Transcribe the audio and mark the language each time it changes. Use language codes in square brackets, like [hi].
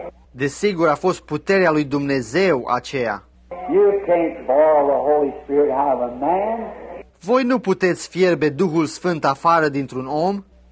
[ro] Desigur, a fost puterea lui Dumnezeu aceea. [en] You can't boil the Holy Spirit out of a man. [ro] Voi nu puteți fierbe Duhul Sfânt afară dintr-un om.